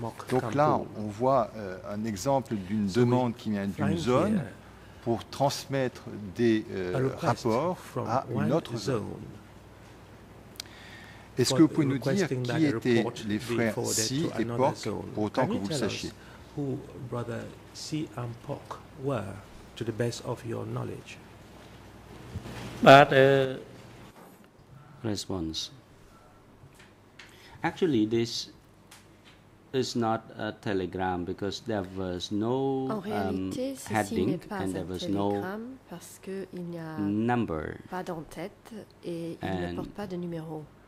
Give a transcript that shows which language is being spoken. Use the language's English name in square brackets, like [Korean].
[French] Donc là, on voit un exemple d'une demande qui vient d'une zone pour transmettre des rapports à une autre zone. Est-ce que vous pouvez nous dire qui étaient les frères Si et Pork, pour autant que vous le sachiez? [English] Who Brother Si and Pork were, to the best of your knowledge. But response. Actually, this is not a telegram because there was no [French] réalité, [English] heading and there was no [French] parce que il n'y a [English] number. [French] Pas d'en-tête et il ne porte pas de numéro.